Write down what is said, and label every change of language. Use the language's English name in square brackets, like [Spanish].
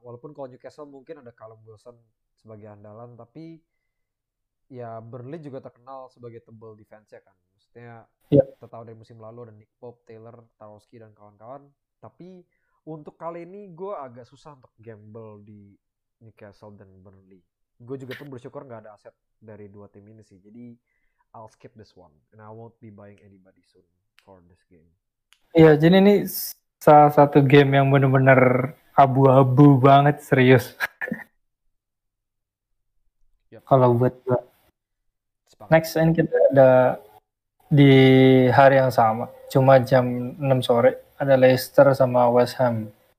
[Indonesian] Walaupun kalau Newcastle mungkin ada Callum Wilson sebagai andalan, tapi ya Burnley juga terkenal sebagai tebel defense ya kan. Maksudnya kita tahu dari musim lalu ada Nick Pope, Taylor, Tarkowski dan kawan-kawan. Tapi untuk kali ini gue agak susah untuk gamble di Newcastle dan Burnley. Gue juga pun bersyukur nggak ada aset dari dua tim ini sih. Jadi [English] I'll skip this one and I won't be buying anybody soon for this game. [Indonesian] Iya, jadi ini salah satu game yang benar-benar abu-abu banget, serius. Yep. Kalau buat gue. Sepakat. Next, ini kita ada di hari yang sama, cuma jam 6 sore, ada Leicester sama West Ham.